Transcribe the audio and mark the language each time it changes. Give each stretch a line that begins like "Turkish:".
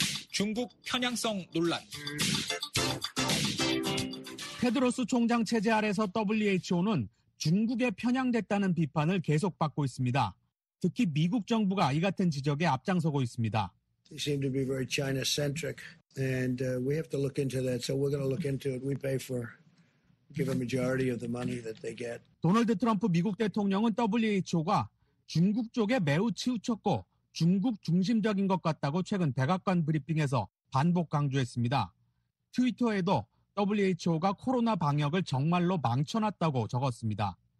Korean: 중국 편향성 논란. 테드로스 총장 체제 아래서 WHO는 중국에 편향됐다는 비판을 계속 받고 있습니다. 특히 미국 정부가 이 같은 지적에 앞장서고 있습니다.
English: They seem to be very China-centric. And we have to look into that. So we're going to look into it. We pay for, give a majority of the money that they get.
Korean: 도널드 트럼프 미국 대통령은 WHO가 중국 쪽에 매우 치우쳤고 중국 중심적인 것 같다고 최근 백악관 브리핑에서 반복 강조했습니다. 트위터에도 WHO가 코로나 방역을 정말로 망쳐놨다고 적었습니다.